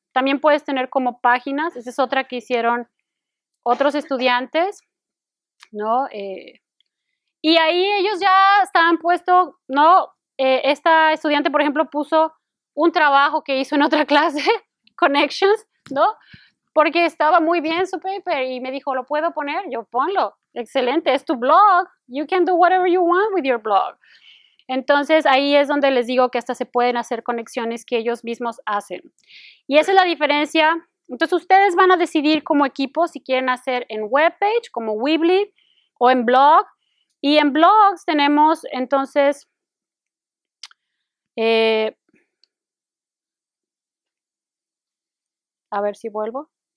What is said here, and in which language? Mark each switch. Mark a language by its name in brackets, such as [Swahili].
[Spanish] También puedes tener como páginas, esa es otra que hicieron otros estudiantes, ¿no? Y ahí ellos ya estaban puesto, ¿no? Esta estudiante, por ejemplo, puso un trabajo que hizo en otra clase, Connections, ¿no? Porque estaba muy bien su paper y me dijo, ¿lo puedo poner? Yo, ponlo. Excelente, es tu blog. [English] You can do whatever you want with your blog. [Spanish] Entonces, ahí es donde les digo que hasta se pueden hacer conexiones que ellos mismos hacen. Y esa es la diferencia. Entonces, ustedes van a decidir como equipo si quieren hacer en webpage, como Weebly, o en blog. Y en blogs tenemos, entonces, a ver si vuelvo.